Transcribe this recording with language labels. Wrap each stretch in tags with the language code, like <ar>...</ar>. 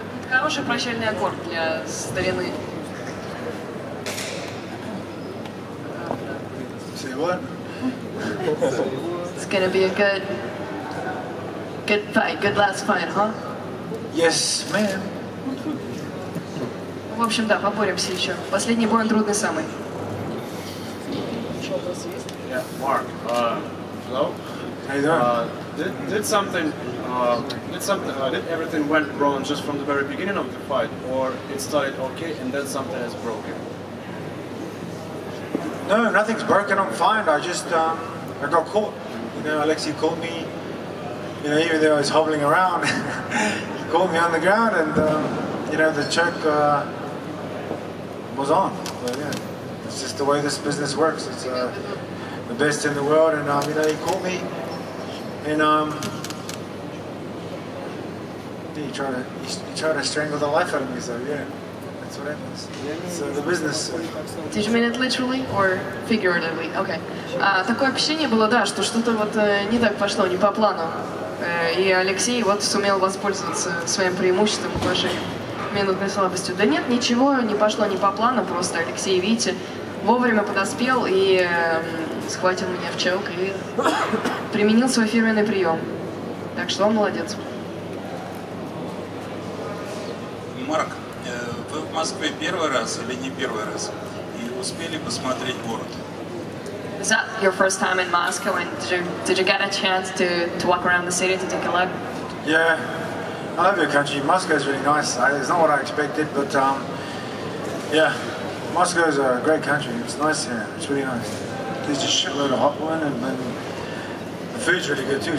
<ru>Хороший прощальный аккорд для старины.</ru> <en>It's gonna be a good fight, good last fight, huh? Yes, ma'am.</en> <ru>В общем, да, поборемся еще. Последний бой, он трудный самый.</ru> <en>Yeah, Mark. Hello. How you doing? Did everything went wrong just from the very beginning of the fight, or it started okay and then something is broken? No, nothing's broken, I'm fine. I just I got caught. You know, Alexei caught me, you know, even though I was hobbling around, he caught me on the ground and you know, the choke was on. But yeah, it's just the way this business works. It's the best in the world, and you know, he called me, and he tried to strangle the life out of me. So yeah.</en> <ru>Такое ощущение было, да, что что-то вот не так пошло, не по плану. И Алексей вот сумел воспользоваться своим преимуществом, уважением, минутной слабостью. Да нет, ничего не пошло не по плану, просто Алексей, видите, вовремя подоспел и схватил меня в челк и применил свой фирменный прием. Так что он молодец. Марк. Вы в Москве первый раз или не первый раз? И успели посмотреть город?</ru> <en>Is that your first time in Moscow? And did you get a chance to walk around the city to take a look? Yeah, I love your country. Moscow is really nice. It's not what I expected, but yeah, Moscow is a great country. It's nice here. It's really nice. There's a shitload of hot wine, and the food's really good too.</en>